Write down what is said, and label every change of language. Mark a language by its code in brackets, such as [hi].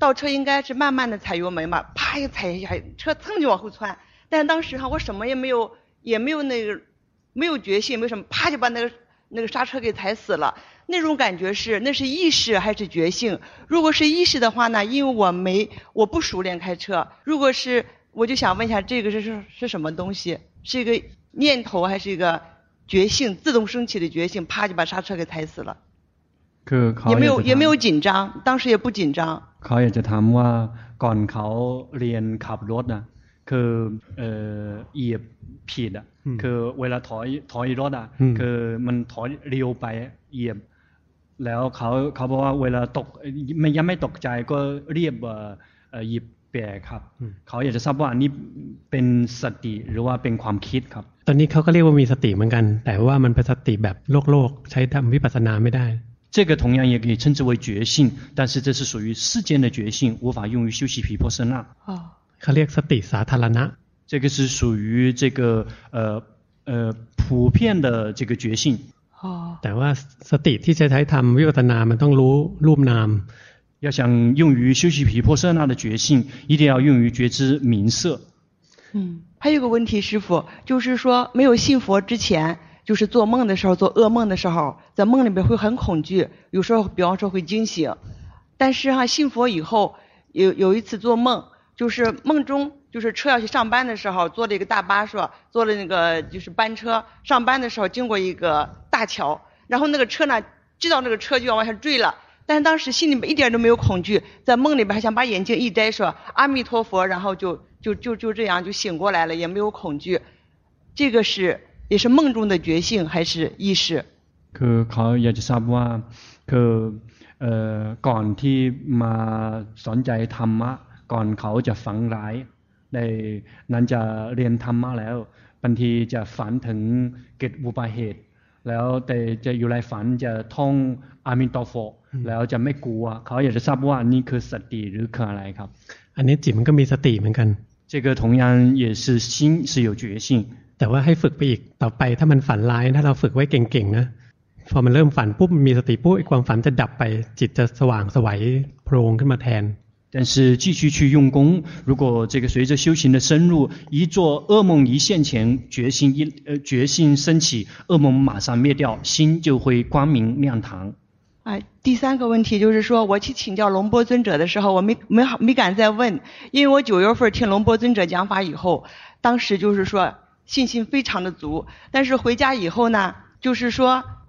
[zh] 应该是慢慢的踩油门嘛啪一踩一下车蹭就往后窜但当时哈我什么也没有那个没有决心没什么啪就把那个刹车给踩死了那种感觉是那是意识还是觉性如果是意识的话呢因为我不熟练开车如果是我就想问一下这个是什么东西是一个念头还是一个觉性自动升起的觉性啪就把刹车给踩死了也没有紧张当时也不紧张 [th] เขาอยากจะถามว่าก่อนเขาเรียนขับรถนะคือเหยียบผิดอ่ะคือเวลาถอยรถอ่ะคือมันถอยเร็วไปเหยียบแล้วเขาบอกว่าเวลาตกไม่ยังไม่ตกใจก็เรียบหยิบแปรครับเขาอยากจะทราบว่าอันนี้เป็นสติหรือว่าเป็นความคิดครับ ตอนนี้เขาก็เรียกว่ามีสติเหมือนกันแต่ว่ามันเป็นสติแบบโลกใช้ทำวิปัสสนาไม่ได้ [zh] 这个同样也可以称之为觉性，但是这是属于世间的觉性，无法用于修习毗婆舍那。哦，它叫 [th] สติสาธารณะ。 [zh] 这个是属于这个普遍的这个觉性。哦。 [th] แต่ว่าสติที่ใช้ใช้ทำวิปัสสนามันต้องรู้รูปนาม。 [zh] 要想用于修习毗婆舍那的觉性，一定要用于觉知名色。嗯，还有个问题，师父，就是说没有信佛之前。就是做梦的时候做噩梦的时候在梦里面会很恐惧有时候比方说会惊醒但是哈、啊、信佛以后有一次做梦就是梦中就是车要去上班的时候坐了一个大巴车坐了那个就是班车上班的时候经过一个大桥然后那个车呢知道那个车就要往下坠了但是当时心里面一点都没有恐惧在梦里面还想把眼睛一摘说阿弥陀佛然后就这样就醒过来了也没有恐惧这个是也是梦中的觉性还是意识 [th] คือเขาอยากจะทราบว่าคือก่อนที่มาสนใจธรรมะก่อนเขาจะฝันร้ายในนั้นจะเรียนธรรมะแล้วบางทีจะฝันถึงเกิดอุบัติเหตุแล้วแต่จะอยู่ในฝันจะท่องอามินโตโฟแล้วจะไม่กลัวเขาอยากจะทราบว่านี่คือสติหรือคืออะไรครับ อันนี้จิตมันก็มีสติเหมือนกัน [zh] 这个同样也是心是有觉性 [th] แต่ว่าให้ฝึกไปอีกต่อไปถ้ามันฝันร้ายถ้าเราฝึกไว้เก่งๆนะพอมันเริ่มฝันปุ๊บมีสติปุ๊บความฝันจะดับไปจิตจะสว่างสวยโพลงขึ้นมาแทน [zh] 但是继续去用功如果这个随着修行的深入一做噩梦一现前决心升起噩梦马上灭掉心就会光明亮堂第三个问题就是说我去请教龙波尊者的时候我 没敢再问因为我九月份听龙波尊者讲法以后当时就是说信心非常的足但是回家以后呢就是说